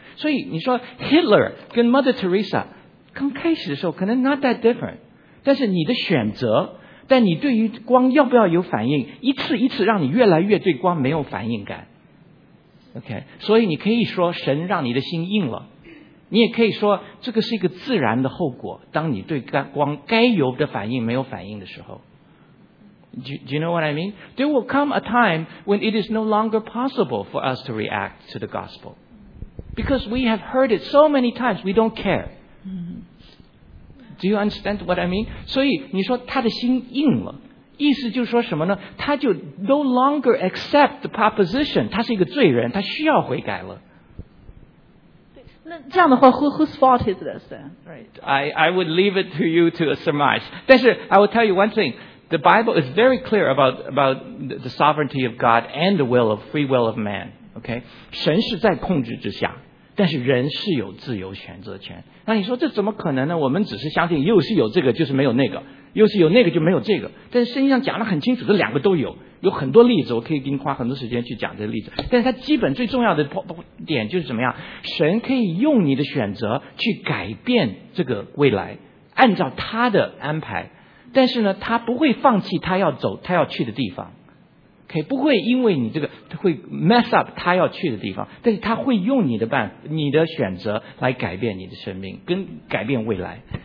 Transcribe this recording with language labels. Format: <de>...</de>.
<zh>所以你说 Hitler 跟 Mother Teresa 刚开始的时候可能</zh> <en>not that different，</en> <zh>但是你的选择，但你对于光要不要有反应，一次一次让你越来越对光没有反应感。 OK， 所以你可以说神让你的心硬了，你也可以说这个是一个自然的后果，当你对光该有的反应没有反应的时候。</zh> <en>Do you know what I mean? There will come a time when it is no longer possible for us to react to the gospel because we have heard it so many times we don't care. Do you understand what I mean?</en> <zh>所以你说他的心硬了，意思就是说什么呢？他就</zh> <en>no longer accept the proposition，</en> <zh>他是一个罪人，他需要悔改了。对，那这样的话</zh> <en>whose fault is this then? Right. I would leave it to you to surmise.</en> <zh>但是</zh> <en>I will tell you one thing. The Bible is very clear about the sovereignty of God and the will of free will of man. Okay?</en> <zh>神是在控制之下，但是人是有自由选择权。那你说这怎么可能呢？我们只是相信又是有这个就是没有那个，又是有那个就没有这个，但是圣经上讲得很清楚，这两个都有，有很多例子，我可以给你花很多时间去讲这个例子。但是它基本最重要的点就是怎么样，神可以用你的选择去改变这个未来，按照他的安排，但是呢他不会放弃他要走他要去的地方，可以不会因为你这个他会</zh> <en>mess up</en> <zh>他要去的地方，但是他会用你的办你的选择来改变你的生命跟改变未来。</zh>